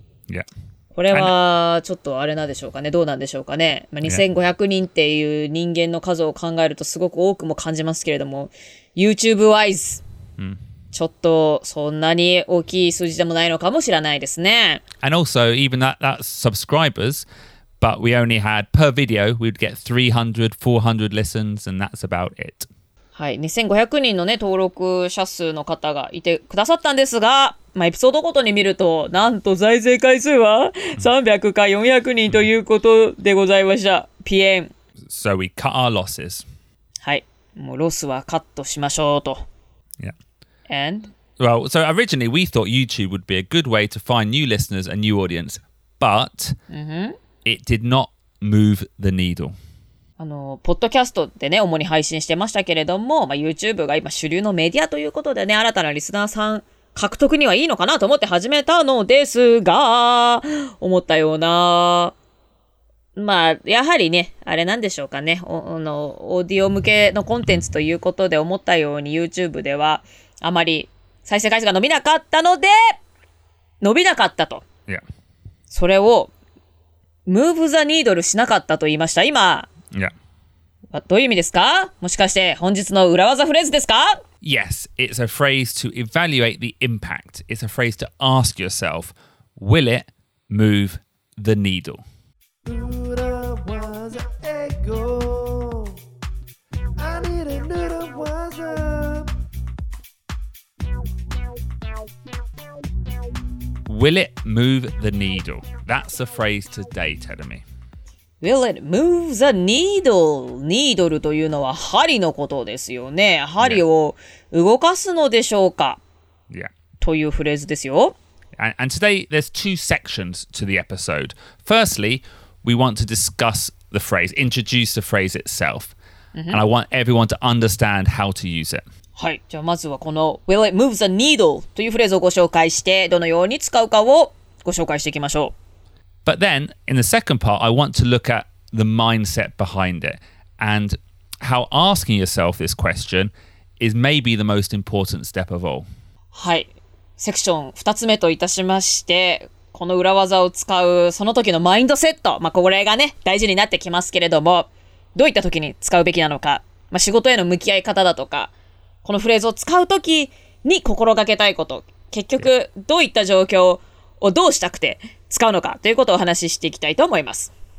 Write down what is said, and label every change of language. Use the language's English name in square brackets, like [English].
[English] Yeah. [Japanese] これはちょっとあれなんでしょうかね。どうなんでしょうかね。まあ、2500人っていう人間の数を考えるとすごく多くも感じますけれども、YouTube wise、ちょっとそんなに大きい数字でもないのかもしれないですね。 [English] And also, even that's subscribers, but we only had per video, we'd get 300, 400 listens, and that's about it. [Japanese] はい、2500人のね、登録者数の方がいてくださったんですが、まあ、エピソードごとに見ると、なんと再生回数は300か400人ということでございました。 PM。 [English] So we cut our losses. [Japanese] はい。もうロスはカットしましょうと。 [English] Yeah. And? Well, so originally we thought YouTube would be a good way to find new listeners and new audience, but、mm-hmm. it did not move the needle. [Japanese] あのポッドキャストでね、主に配信してましたけれども、まあ、YouTube が今主流のメディアということでね、新たなリスナーさん獲得にはいいのかなと思って始めたのですが、思ったような、まあ、やはりね、あれなんでしょうかね、オーディオ向けのコンテンツということで思ったように YouTube ではあまり再生回数が伸びなかったので、伸びなかったと。いや。それを、ムーブザニードルしなかったと言いました。今、 [English] Yeah. [Japanese] どういう意味ですか？もしかして本日の裏技フレーズですか？ [English] Yes, it's a phrase to evaluate the impact. It's a phrase to ask yourself, will it move the needle? 裏技英語 I need a little wiser. Will it move the needle? That's the phrase today, Tedemi. Will it move the needle? Needle [Japanese] というのは針のことですよね。針を動かすのでしょうか、 [English] yeah. [Japanese] というフレーズですよ。 [English] And today there's two sections to the episode. Firstly, we want to discuss the phrase, introduce the phrase itself.、Mm-hmm. And I want everyone to understand how to use it. [Japanese] はい。じゃあまずはこの [English] Will it move the needle? [Japanese] というフレーズをご紹介して、どのように使うかをご紹介していきましょう。 [English] But then, in the second part, I want to look at the mindset behind it and how asking yourself this question is maybe the most important step of all. [Japanese] はい。セクション2つ目といたしまして、この裏技を使うその時のマインドセット、まあ、これがね、大事になってきますけれども、どういった時に使うべきなのか、まあ、仕事への向き合い方だとか、このフレーズを使う時に心がけたいこと、結局どういった状況をどうしたくて、使うのかということをお話ししていきたいと思います。